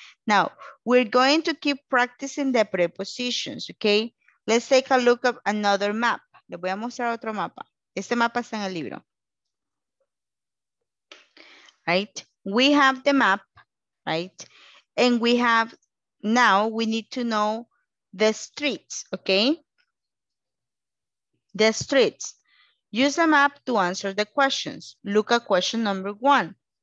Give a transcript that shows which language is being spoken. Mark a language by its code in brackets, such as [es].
[en] Now, we're going to keep practicing the prepositions, okay? Let's take a look at another map. [es] Le voy a mostrar otro mapa. Este mapa está en el libro. Right, [en] we have the map, right? And we have, now we need to know the streets, okay? The streets. Use the map to answer the questions. Look at question number one.